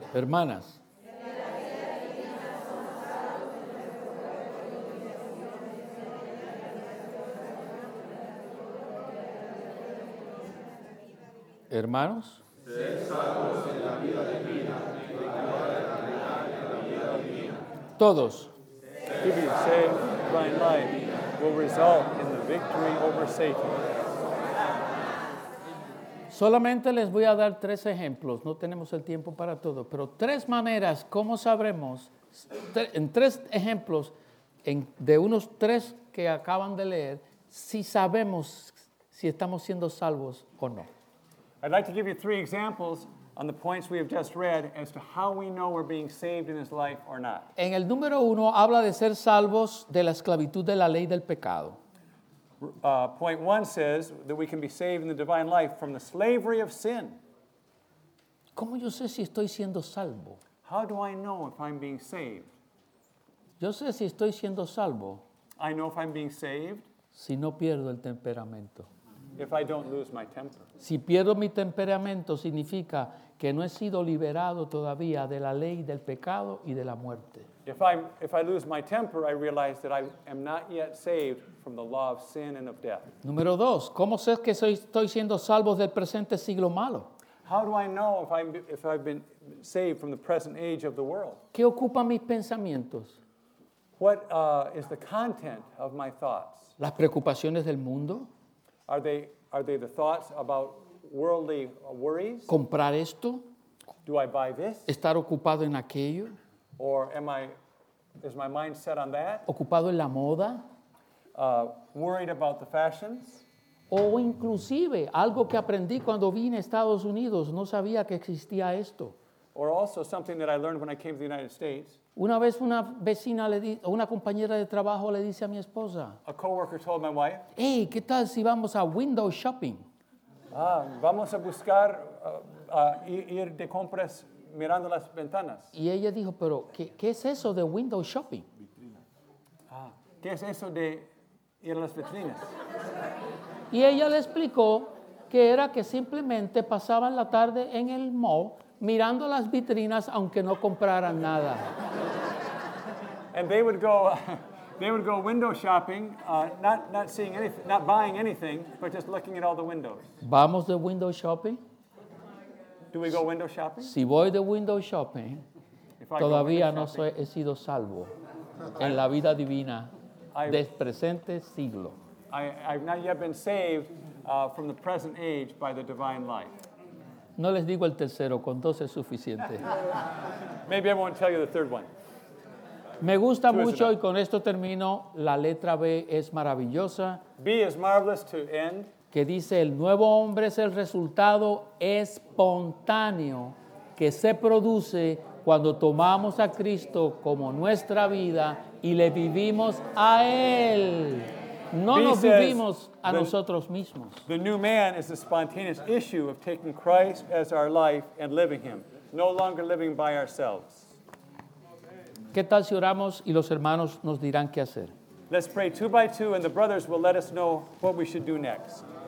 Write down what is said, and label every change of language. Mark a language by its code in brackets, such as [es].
[es] Hermanas, hermanos, ser salvos en la vida divina y continuar en la vida divina. Todos. [en] To be saved by life will result in the victory over Satan. [es] Solamente les voy a dar tres ejemplos. No tenemos el tiempo para todo, pero tres maneras, ¿cómo sabremos? En tres ejemplos, de unos tres que acaban de leer, si sabemos si estamos siendo salvos o no. [en] I'd like to give you three examples on the points we have just read as to how we know we're being saved in His life or not. [es] En el número uno habla de ser salvos de la esclavitud de la ley del pecado. [en] Point one says that we can be saved in the divine life from the slavery of sin. [es] ¿Cómo yo sé si estoy siendo salvo? [en] How do I know if I'm being saved? [es] Yo sé si estoy siendo salvo. [en] I know if I'm being saved. [es] Si no pierdo el temperamento. [en] If I don't lose my temper. [es] Si pierdo mi temperamento, significa que no he sido liberado todavía de la ley del pecado y de la muerte. [en] If I lose my temper, I realize that I am not yet saved from the law of sin and of death. [es] Número dos, ¿cómo sé que estoy siendo salvo del presente siglo malo? [en] How do I know if I've been saved from the present age of the world? [es] ¿Qué ocupa mis pensamientos? [en] What is the content of my thoughts? [es] ¿Las preocupaciones del mundo? [en] Are they the thoughts about worldly worries? [es] ¿Comprar esto? [en] Do I buy this? [es] ¿Estar ocupado en aquello? [en] Or is my mind set on that? [es] ¿Ocupado en la moda? [en] Worried about the fashions? [es] O inclusive, algo que aprendí cuando vine a Estados Unidos, no sabía que existía esto. [en] Or also something that I learned when I came to the United States. [es] Una vez una vecina le di, una compañera de trabajo le dice a mi esposa. [en] A coworker told my wife. [es] Hey, ¿qué tal si vamos a window shopping? Vamos a buscar ir de compras mirando las ventanas. Y ella dijo, pero ¿qué es eso de window shopping? ¿Qué es eso de ir a las vitrinas? Y ella le explicó que era que simplemente pasaban la tarde en el mall mirando las vitrinas aunque no compraran nada. [en] And they would go window shopping, not seeing anything, not buying anything, but just looking at all the windows. [es] ¿Vamos de window shopping? [en] Do we go window shopping? [es] Si voy de window shopping, todavía window shopping, no he sido salvo en la vida divina del presente siglo. [en] I've not yet been saved from the present age by the divine life. [es] No les digo el tercero, con dos es suficiente. [en] Maybe I won't tell you the third one. [es] Me gusta mucho, y con esto termino, la letra B es maravillosa. [en] B is marvelous to end. [es] Que dice, el nuevo hombre es el resultado espontáneo que se produce cuando tomamos a Cristo como nuestra vida y le vivimos a Él. No B nos [en] says, [es] vivimos a nosotros mismos. [en] The new man is the spontaneous issue of taking Christ as our life and living Him, no longer living by ourselves. [es] ¿Qué tal si oramos y los hermanos nos dirán qué hacer? [en] Let's pray two by two and the brothers will let us know what we should do next.